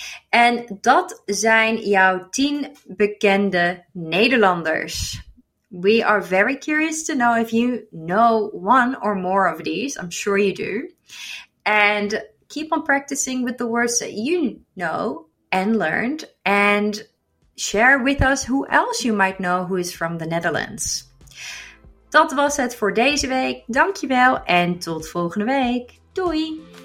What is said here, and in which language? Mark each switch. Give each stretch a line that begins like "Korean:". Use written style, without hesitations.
Dutch: En dat zijn jouw 10 bekende Nederlanders.
English: We are very curious to know if you know one or more of these. I'm sure you do. And keep on practicing with the words that you know and learned. And share with us who else you might know who is from the Netherlands.
Dutch: Dat was het voor deze week. Dankjewel en tot volgende week. Doei!